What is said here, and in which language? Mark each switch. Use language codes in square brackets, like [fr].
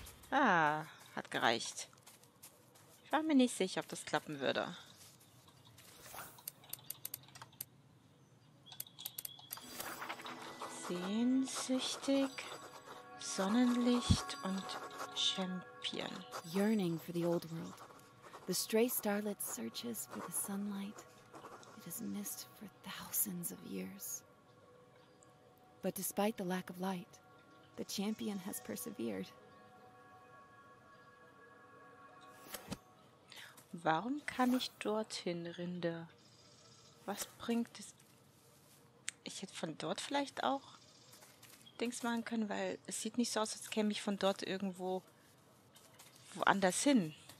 [de] Ah, hat gereicht. Ich war mir nicht sicher, ob das klappen würde. Sehnsüchtig, Sonnenlicht und Champion. [en] Yearning for the old world. The stray starlet searches for the sunlight. It has missed for thousands of years. But despite the lack of light, the champion has persevered. [de] Warum kann ich dorthin, Rinde? Was bringt es? Ich hätte von dort vielleicht auch Dings machen können, weil es sieht nicht so aus, als käme ich von dort irgendwo woanders hin.